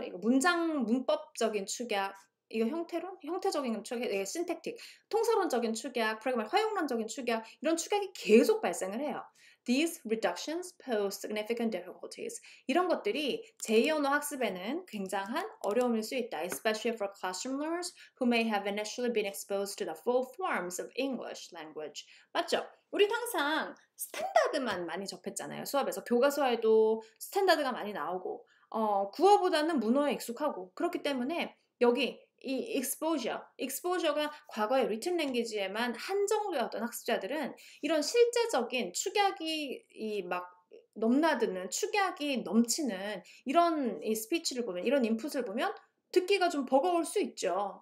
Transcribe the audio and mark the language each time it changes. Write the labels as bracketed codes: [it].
[ko] 이거 문장, 문법적인 축약 이거 형태론? 형태적인 축약, 예, syntactic, 통설론적인 축약, pragmatic, 화용론적인 축약 이런 축약이 계속 발생을 해요. [en] These reductions pose significant difficulties. [ko] 이런 것들이 제2언어 학습에는 굉장한 어려움일 수 있다. [en] Especially for classroom learners who may have initially been exposed to the full forms of English language. [ko] 맞죠? 우리 항상 스탠다드만 많이 접했잖아요. 수업에서 교과서에도 스탠다드가 많이 나오고 구어보다는 문어에 익숙하고 그렇기 때문에 여기 이 exposure가 과거의 written language에만 한정되었던 학습자들은 이런 실제적인 축약이 이 막 넘나드는 축약이 넘치는 이런 이 스피치를 보면 이런 인풋을 보면 듣기가 좀 버거울 수 있죠.